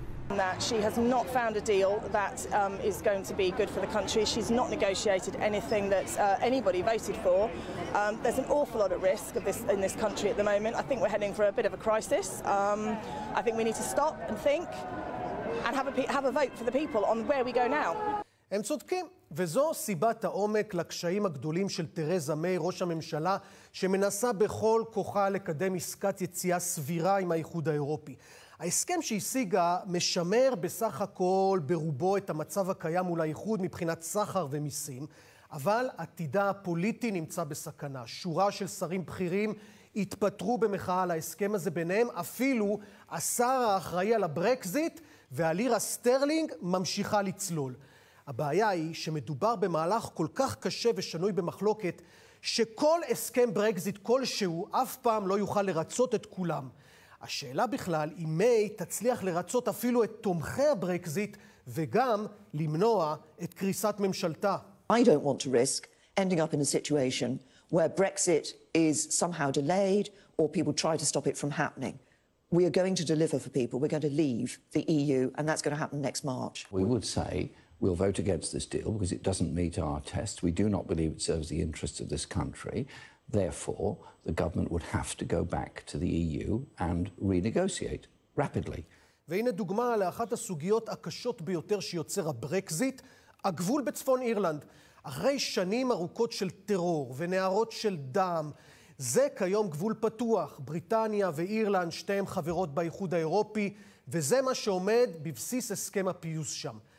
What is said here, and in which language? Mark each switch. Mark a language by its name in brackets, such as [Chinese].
[English] That she has not found a deal that is going to be good for the country. She's not negotiated anything that anybody voted for. There's an awful lot at risk of this in this country at the moment. I think we're heading for a bit of a crisis. I think we need to stop and think and have a vote for the people on where we go now. [Hebrew] הם צודקים, וזו סיבת העומק לקשיים הגדולים של תרזה מיי, ראש הממשלה, שמנסה בכל כוחה לקדם עסקת יציאה סבירה עם האיחוד האירופי. ההסכם שהשיגה משמר בסך הכל ברובו את המצב הקיים מול האיחוד מבחינת סחר ומיסים, אבל עתידה הפוליטי נמצא בסכנה. שורה של שרים בכירים התפטרו במחאה על ההסכם הזה, ביניהם אפילו השר האחראי על הברקזיט והלירה סטרלינג ממשיכה לצלול. הבעיה היא שמדובר במהלך כל כך קשה ושנוי במחלוקת, שכל הסכם ברקזיט כלשהו אף פעם לא יוכל לרצות את כולם. השאלה בכלל, אם מיי תצליח לרצות אפילו את תומכי הברקזיט וגם למנוע את קריסת ממשלתה. [English] I don't want to risk ending up in a situation where Brexit is somehow delayed or people try to stop it from happening. We are going to deliver for people. We're going to leave the EU and that's going to happen next March. We would say we'll vote against this deal because it doesn't meet our test. We do not believe it serves the interests of this country. Therefore, the government would have to go back to the EU and renegotiate rapidly. [Hebrew] והנה דוגמה לאחת הסוגיות הקשות ביותר שיוצר הברקזיט, הגבול בצפון אירלנד. אחרי שנים ארוכות של טרור ונהרות של דם, זה כיום גבול פתוח. בריטניה ואירלנד, שתיהם חברות באיחוד האירופי, וזה מה שעומד בבסיס הסכם הפיוס שם.